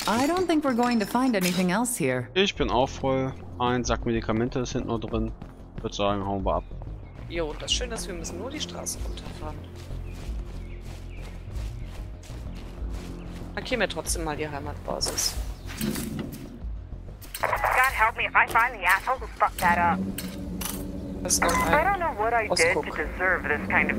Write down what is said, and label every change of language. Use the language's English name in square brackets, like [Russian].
[English] I don't think we're going to find anything else here. [German] Ich bin auch voll. Ein Sack Medikamente ist hinten noch drin. Ich würde sagen, hauen wir ab. Jo, und das Schöne ist, wir müssen nur die Straße runterfahren. Markier mir trotzdem mal die Heimatbasis. [English] God help me if I find the asshole who fucked that up. I don't know what I did to deserve this kind of